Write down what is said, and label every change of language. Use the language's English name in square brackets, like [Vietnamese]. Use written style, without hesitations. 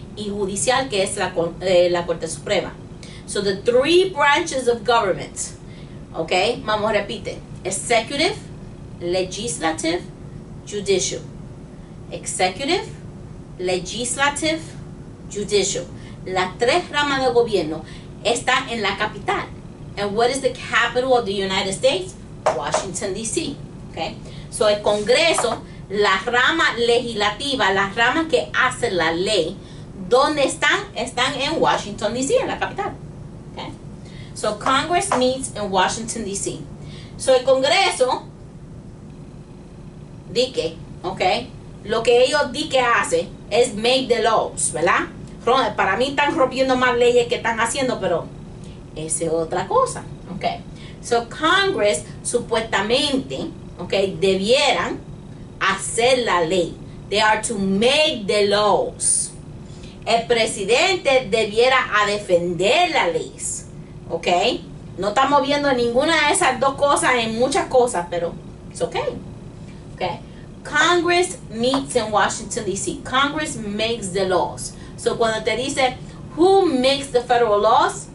[Spanish] Y judicial, que es la Corte Suprema. [English] So, the three branches of government. [Spanish] Ok. Vamos, repite. [English] Executive, Legislative, Judicial. Executive, Legislative, Judicial. [Spanish] Las tres ramas de gobierno están en la capital. [English] And what is the capital of the United States? Washington, D.C. Okay. [Spanish] So, el Congreso, la rama legislativa, la rama que hace la ley, ¿dónde están? Están en Washington, D.C., en la capital. [English] Okay. So, Congress meets in Washington, D.C. [Spanish] So, el Congreso, dique, ok, lo que ellos dique hace es [English] make the laws, [Spanish] ¿verdad? Para mí están rompiendo más leyes que están haciendo, pero esa es otra cosa, ok. So, Congress supuestamente, ok, debieran hacer la ley. [English] They are to make the laws. [Spanish] El presidente debiera a defender las leyes, ok. No estamos viendo ninguna de esas dos cosas en muchas cosas, pero es ok, ok. [English] Congress meets in Washington, D.C. Congress makes the laws. [Spanish] So, cuando te dice, [English] who makes the federal laws?